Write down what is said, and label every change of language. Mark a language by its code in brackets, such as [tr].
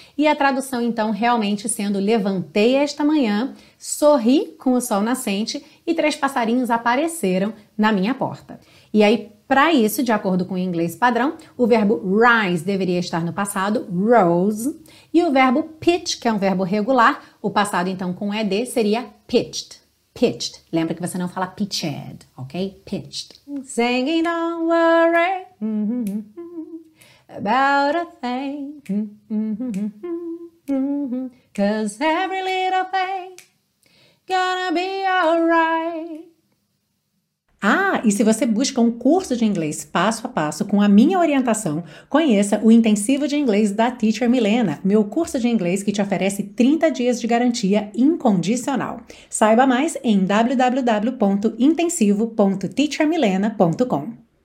[pt] E a tradução então realmente sendo levantei esta manhã, sorri com o sol nascente e três passarinhos apareceram na minha porta. E aí, para isso, de acordo com o inglês padrão, o verbo rise deveria estar no passado, rose, e o verbo pitch, que é um verbo regular, o passado então com ed, seria pitched. Pitched. Lembra que você não fala pitched, ok? Pitched. [en] Singing don't worry about a thing, cause every little thing gonna be alright. [pt] Ah, e se você busca um curso de inglês passo a passo com a minha orientação, conheça o Intensivo de Inglês da Teacher Milena, meu curso de inglês que te oferece 30 dias de garantia incondicional. Saiba mais em www.intensivo.teachermilena.com.